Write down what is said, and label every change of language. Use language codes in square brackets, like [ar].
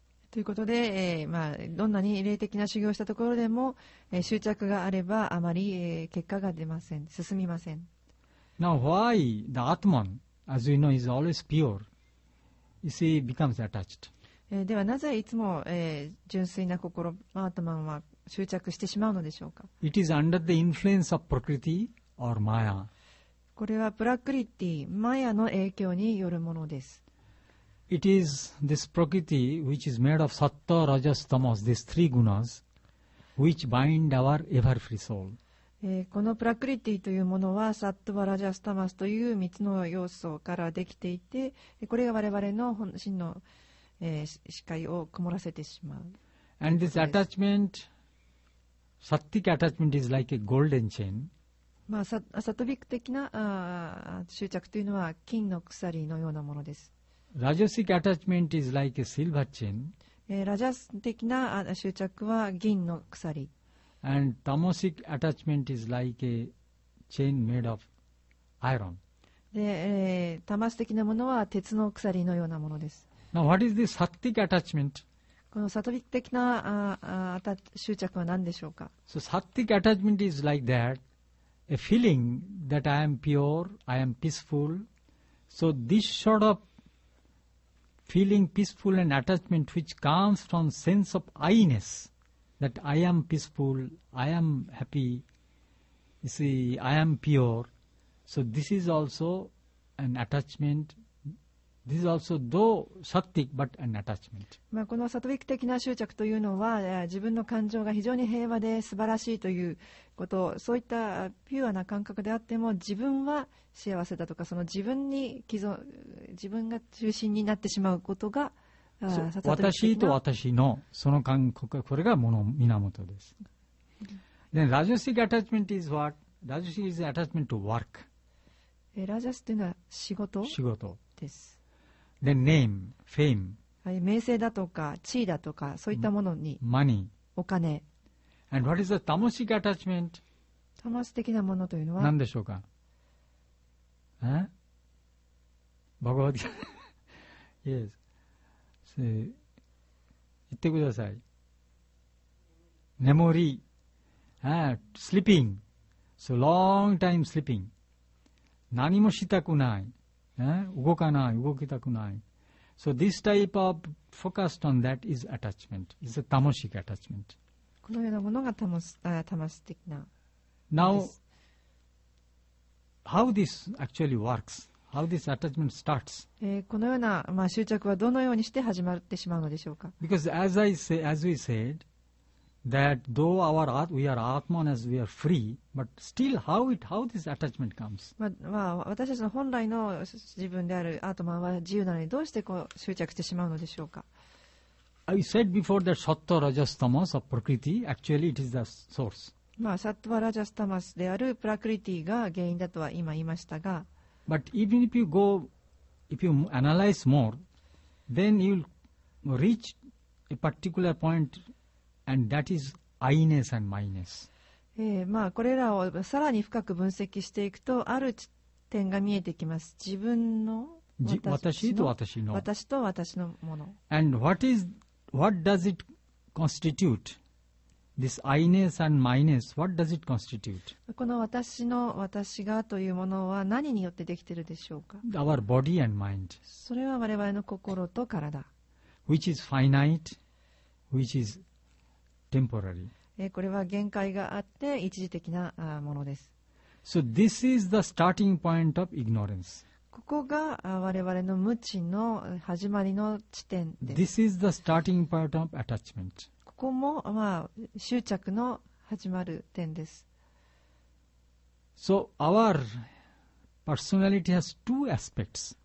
[ja] ということで、まあ、どんなに霊的な修行をしたところでも、執着があればあまり、結果が出ません、進みません。 [en] Now why the Atman, as we know, is always pure, you see, becomes attached. [ja] ではなぜいつも、純粋な心、アートマンは執着してしまうのでしょうか。 [en] It is under the influence of prakriti or maya. [ja] これはプラクリティ、マヤの影響によるものです。 [en] It is this prakriti which is made of satta, rajas, tamas, these three gunas, which bind our ever free soul. [ja] このプラクリティというものは、サットバ、ラジャス、タマスという3つの要素からできていて、これが我々の本心の、視界を曇らせてしまう。 [en] And this attachmentSattvic attachment is like a golden chain. [ja] まあ、サトビック的な執着というのは金の鎖のようなものです。 [en] Rajasic attachment is like a silver chain. [ja] ラジャス的な執着は銀の鎖。 [en] And tamasic attachment is like a chain made of iron. [ja] で、タマス的なものは鉄の鎖のようなものです。 [en] Now what is this sattvic attachment? [ja] このサトビック的な執着は何でしょうか。 [en] So, sattvic attachment is like that, a feeling that I am pure, I am peaceful. So, this sort of feeling, peaceful and attachment which comes from sense of I-ness, that I am peaceful, I am happy, you see, I am pure. So, this is also an attachment. This is also though sattvic, but an attachment. [ja] まあ、このサトビック的な執着というのは、自分の感情が非常に平和で素晴らしいということ、そういったピュアな感覚であっても、自分は幸せだとか、その自分が中心になってしまうことが、私と私のその感覚、これが源です。 [en] Then, rajasic attachment is what? Rajasic is attachment to work. [ja] ラジャスというのは仕事？仕事です。 [en] The name, fame. [ja] はい、名声だとか地位だとかそういったものに、 [en] Money. [ja] お金。 [en] And what is the tamasic attachment? [ja] タマス的なものというのは何でしょうか。バガバッギータ。Yes. 言ってください。Memory. [en] Sleeping. So long time sleeping. [ja] 何もしたくない、動かない、動きたくない。 [en] So this type of focused on that is attachment. It's a tamasic attachment. [ja] このようなものが魂的な。 [en] Now, how this actually works? How this attachment starts? [ja] このような、執着はどのようにして始まってしまうのでしょうか。 [en] Because as we said, that though we are Atman as we are free, but still how this attachment comes? [ja] まあ、私たちの本来の自分であるアートマンは自由なのにどうしてこう執着してしまうのでしょうか。 [en] I said before that Sattva Rajas Tamas of Prakriti, actually it is the source. [ja] Sattva Rajas Tamas であるプラクリティが原因だとは今言いましたが、 [en] But even if you analyze more, then you reach a particular point, and that is I-ness and my-ness. [ja] これらをさらに深く分析していくと、ある点が見えてきます。自分の私と私のもの。 [en] And what does it constitute? This I-ness and my-ness, what does it constitute? [ja] この私の私がというものは何によってできているでしょうか? [en] Our body and mind. [ja] それは我々の心と体。 [en] Which is finite, which is temporary. [ja] これは限界があって一時的なものです。 [en] So this is the starting point of ignorance. [ja] ここが我々の無知の始まりの地点です。 [en] This is the starting point of attachment. [ja] ここも、執着の始まる点です。 [en] So our personality has two aspects.